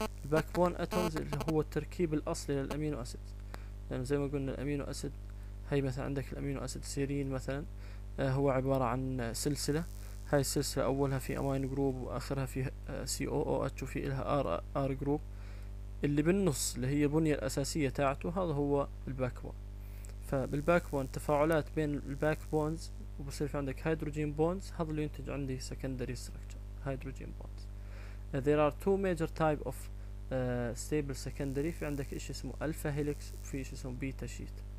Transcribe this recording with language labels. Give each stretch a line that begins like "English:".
Arabic: الباك بون اتومز اللي هو التركيب الاصلي للامينو اسيد، لانه زي ما قلنا الامينو اسيد هاي مثلا عندك الامينو اسيد سيرين مثلا، هو عبارة عن سلسلة، هاي السلسلة اولها في امين جروب واخرها في سي او او اتش وفي لها ار جروب، اللي بالنص اللي هي بنية الاساسية تاعته هذا هو الباك بون. فبالباك بون تفاعلات بين الباك بونز وبصير في عندك هيدروجين بونز، هذا اللي ينتج عندي سكندري ستراكشر هيدروجين بونز.
English: There are two major type of stable secondary.
Arabic: في عندك اشي اسمه الفا هيليكس وفي اشي اسمه بيتا شيت.